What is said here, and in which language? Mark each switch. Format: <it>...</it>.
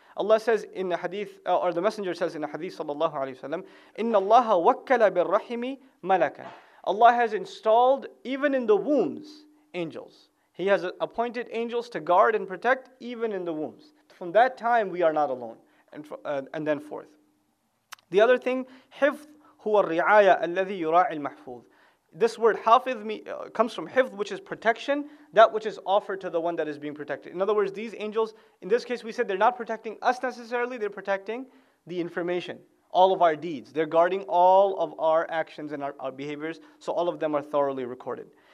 <en>Allah says in the hadith, or the Messenger says in the hadith, sallallahu alayhi wa sallam,</en> <ar>إِنَّ اللَّهَ وَكَّلَ بِالرَّحِمِ مَلَكًا.</ar> <en>Allah has installed, even in the wombs, angels. He has appointed angels to guard and protect, even in the wombs. From that time, we are not alone. And then forth. The other thing,</en> <ar>حفظ هو الرعاية الذي يراعي المحفوظ.</ar> <en>This word حافظ comes from حفظ, which is protection, that which is offered to the one that is being protected. In other words, these angels, in this case we said they're not protecting us necessarily, they're protecting the information, all of our deeds. They're guarding all of our actions and our behaviors, so all of them are thoroughly recorded.</en>